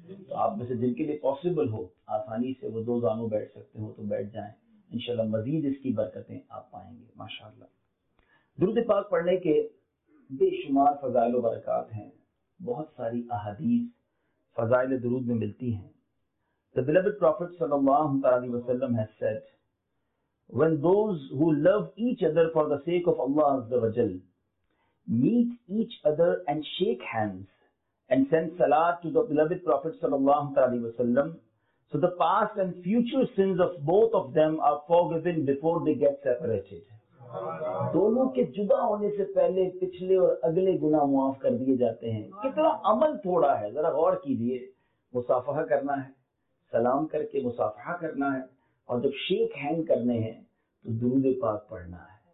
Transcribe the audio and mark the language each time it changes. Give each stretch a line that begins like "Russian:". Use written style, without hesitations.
Urdu: تو آپ میں سے جن کے لیے پاسبل ہو، آسانی سے وہ دو زانگوں بیٹھ سکتے ہو تو بیٹھ جائیں، انشاءاللہ مزید اس کی برکتیں آپ پائیں گے ماشاءاللہ. درود پاک پڑھنے کے بے شمار فضائل و برکات ہیں، بہت ساری احادیث فضائل درود میں ملتی ہیں.
English: The beloved Prophet sallallahu alaihi wasallam has said, when those who love each other for the sake of Allah azza wa jal meet each other and shake hands and send salat to the beloved Prophet sallallahu alaihi wasallam, so the past and future sins of both of them are forgiven before they get separated.
Urdu: دونوں کے جدا ہونے سے پہلے پچھلے اور اگلے گناہ معاف کر دیے جاتے ہیں. کتنا عمل تھوڑا ہے، ذرا غور کیجیے. مصافحہ کرنا ہے، سلام کر کے مصافحہ کرنا ہے، اور جب شیک ہینڈ کرنے ہیں تو درود پاک پڑھنا ہے.